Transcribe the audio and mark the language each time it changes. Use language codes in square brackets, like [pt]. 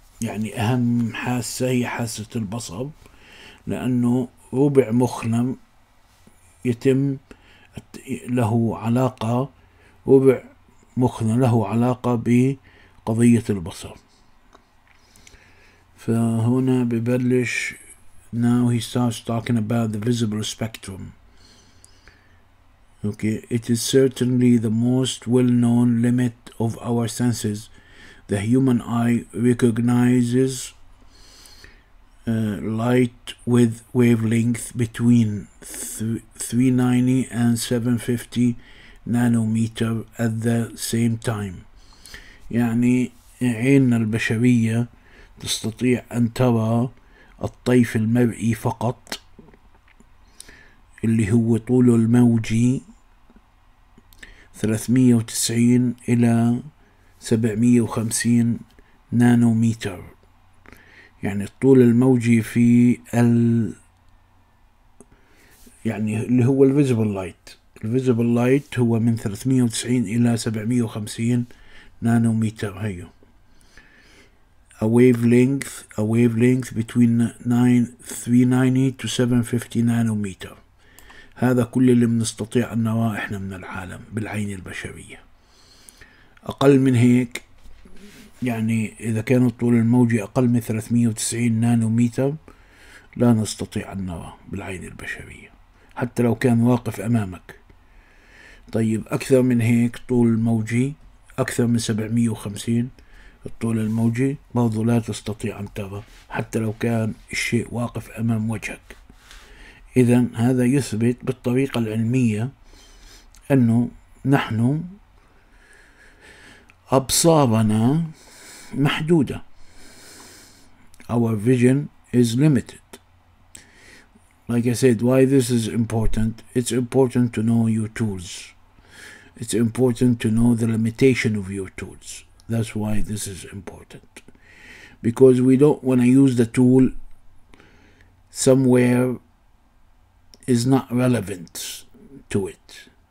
[ar] يعني أهم حاسة هي حاسة البصر, لأنه ربع مخنا يتم له علاقة, ربع مخنا له علاقة بقضية البصر. فهنا ببلش. [en] Now he starts talking about the visible spectrum. Okay, it is certainly the most well-known limit of our senses. The human eye recognizes light with wavelength between 390 and 750 nanometer at the same time. [ar] يعني عيننا البشرية تستطيع أن ترى الطيف المرئي فقط, اللي هو طوله الموجي 390 إلى 750 نانومتر. يعني الطول الموجي في ال, يعني اللي هو الفيزبل لايت. الفيزبل لايت هو من 390 إلى 750 نانومتر. [en] Hue a wavelength between 390 to 750 nanometre. [ar] هذا كل اللي بنستطيع أن نراه إحنا من العالم بالعين البشرية. أقل من هيك يعني إذا كان الطول الموجي أقل من 390 نانوميتر لا نستطيع أن نرى بالعين البشرية حتى لو كان واقف أمامك. طيب أكثر من هيك طول الموجي، أكثر من 750 الطول الموجي برضو لا تستطيع أن ترى حتى لو كان الشيء واقف أمام وجهك. إذن هذا يثبت بالطريقة العلمية أنه نحن أبصارنا محدودة. [en] Our vision is limited. Like I said, why this is important? It's important to know your tools. It's important to know the limitation of your tools. That's why this is important. Because we don't want to use the tool somewhere is not relevant to it.